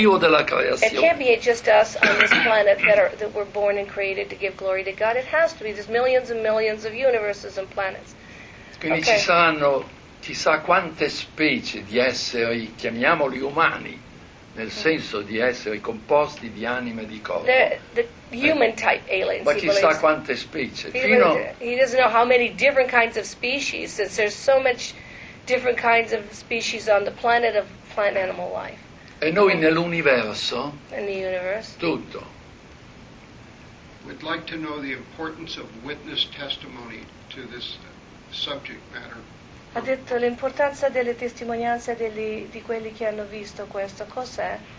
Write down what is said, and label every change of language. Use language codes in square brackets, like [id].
[en] It can't be just us on this planet that we're born and created to give glory to God. It has to be. There's millions and millions of universes and planets. [it] Quindi okay. Ci saranno chissà quante specie di esseri, chiamiamoli umani, nel senso di esseri composti di anima e di corpo. [en] The human type aliens. [it] Ma chissà quante specie. Fino [en] he doesn't know how many different kinds of species, since there's so much different kinds of species on the planet of plant animal life. [it] E noi nell'universo, [en] in the universe, [it] tutto. [en] We'd like to know the importance of witness testimony to this subject matter. [it] Ha detto l'importanza delle testimonianze di quelli che hanno visto questo. Cos'è?